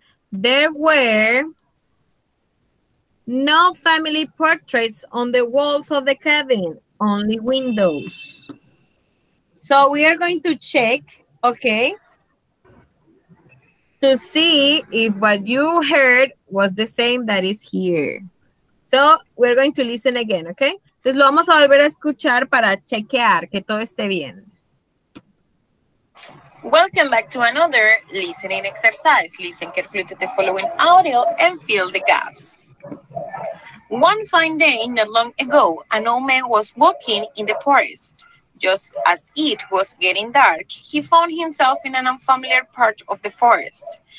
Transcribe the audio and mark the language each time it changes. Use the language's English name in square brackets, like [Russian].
[English] There were no family portraits on the walls of the cabin, only windows. So we are going to check, okay, to see if what you heard was the same that is here. So we're going to listen again, okay? [Spanish] Entonces lo vamos a volver a escuchar para chequear que todo esté bien. [English] Welcome back to another listening exercise. Listen carefully to the following audio and fill the gaps. One fine day, not long ago, an old man was walking in the forest. Just as it was getting dark, he found himself in an unfamiliar part of the forest.